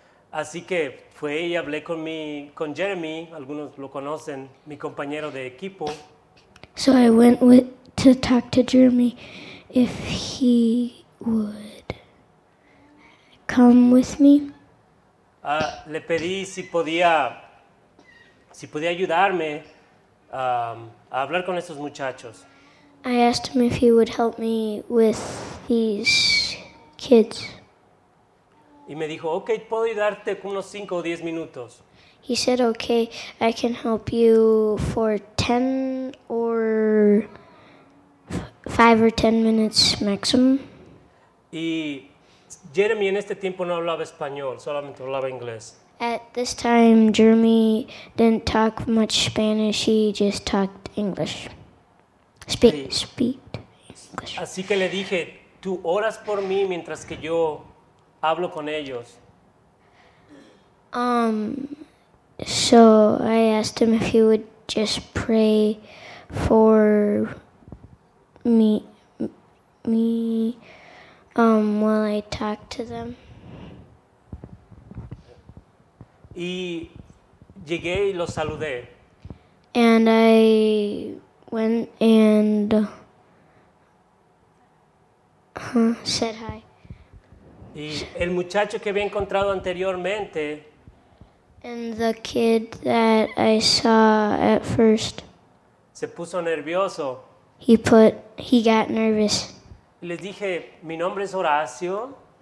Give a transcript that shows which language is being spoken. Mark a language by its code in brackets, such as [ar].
[es] Así que fue y hablé con mi con Jeremy, algunos lo conocen, mi compañero de equipo. [en] So I went with to talk to Jeremy if he would come with me. [es] Le pedí si podía ayudarme a hablar con esos muchachos. [en] I asked him if he would help me with these kids. [es] Y me dijo, okay, puedo ayudarte con unos 5 o 10 minutos. [en] He said, okay, I can help you for 5 or 10 minutes maximum. [es] Y Jeremy en este tiempo no hablaba español, solamente hablaba inglés. [en] At this time, Jeremy didn't talk much Spanish, he just talked English. Speak English. [es] Así que le dije, tú oras por mí mientras que yo hablo con ellos. [en] So I asked him if he would just pray for me while I talk to them. [es] Y llegué y los saludé. [en] And I went and said hi. [es] Y el muchacho que había encontrado anteriormente. [en] And the kid that I saw at first. [es] Se puso nervioso. [en] He got nervous. [es] Y les dije, mi nombre es Horacio.